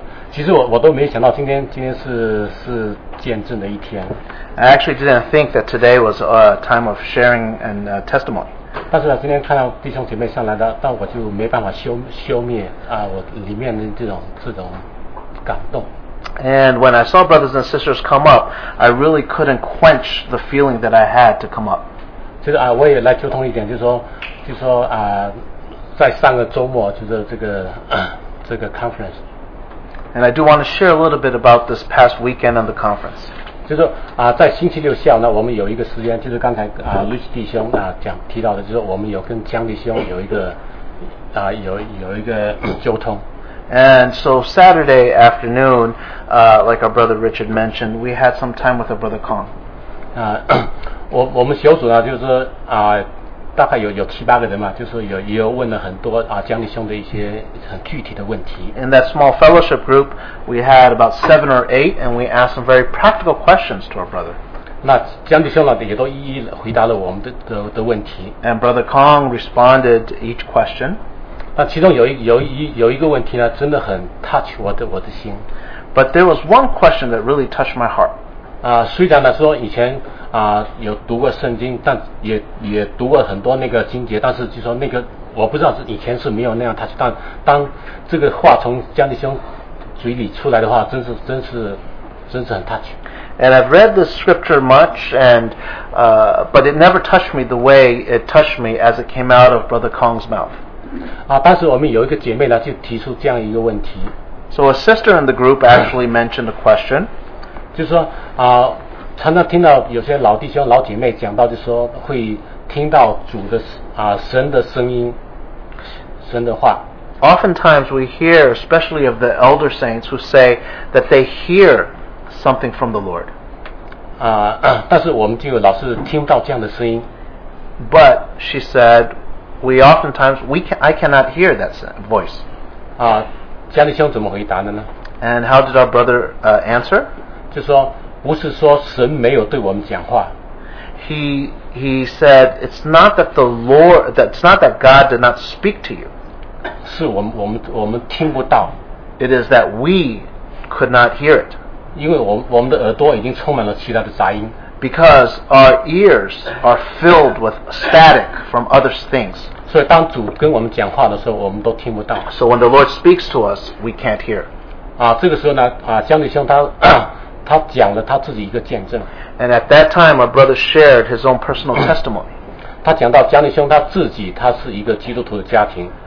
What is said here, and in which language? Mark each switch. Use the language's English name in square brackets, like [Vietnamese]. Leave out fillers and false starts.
[Chinese] 其实我都没想到今天是见证的一天。 [English] I actually didn't think that today was a time of sharing and testimony. [Chinese] 但是呢，今天看到弟兄姐妹上来的，但我就没办法消灭啊，我里面的这种感动。 [English] And when I saw brothers and sisters come up, I really couldn't quench the feeling that I had to come up. [Chinese] 就是啊，我也来求通一点，就说啊，在上个周末就是这个 conference。 [English] And I do want to share a little bit about this past weekend and the conference. [Chinese] 就是啊，在星期六下午呢，我们有一个时间，就是刚才啊，路西弟兄啊讲提到的，就是我们有跟江弟兄有一个啊有一个交通。 [English] And so Saturday afternoon, like our brother Richard mentioned, we had some time with our brother Kong. [Chinese] 啊，我们小组呢，就是啊，大概有七八个人嘛，就是也有问了很多啊江弟兄的一些很具体的问题。 [English] In that small fellowship group, we had about 7 or 8, and we asked some very practical questions to our brother. [Chinese] 那江弟兄呢，也都一一回答了我们的问题。 [English] And brother Kong responded to each question. [Chinese] 那其中有一个问题呢，真的很 touch 我的心。 [English] But there was one question that really touched my heart. [Chinese] 啊，虽然呢说以前啊有读过圣经，但也读过很多那个经节，但是就说那个我不知道是以前是没有那样 touch， 但当这个话从江弟兄嘴里出来的话，真是很 touch。 [English] And I've read the scripture much, but it never touched me the way it touched me as it came out of Brother Kong's mouth. [Chinese] 啊，当时我们有一个姐妹呢，就提出这样一个问题。 [English] So a sister in the group actually mentioned a question. [Chinese] 就是说啊，常常听到有些老弟兄、老姐妹讲到，就说会听到主的啊神的声音，神的话。 [English] Oftentimes we hear, especially of the elder saints, who say that they hear something from the Lord. [Chinese] 啊，但是我们就老是听到这样的声音。 [English] But she said. We oftentimes, I cannot hear that voice. [Chinese] 啊，江弟兄怎么回答的呢？ [English] And how did our brother answer? [Chinese] 就说不是说神没有对我们讲话。 [English] He said it's not that the Lord, that's not that God did not speak to you. [Chinese] 是我们听不到。 [English] It is that we could not hear it. [Chinese] 因为我们的耳朵已经充满了其他的杂音。 [English] Because our ears are filled with static from other things. [Chinese] 所以当主跟我们讲话的时候，我们都听不到。 [English] So when the Lord speaks to us, we can't hear. [Chinese] 啊，这个时候呢，啊，江弟兄他讲了他自己一个见证。 [English] And at that time, our brother shared his own personal testimony. [Chinese] 他讲到江弟兄他自己，他是一个基督徒的家庭。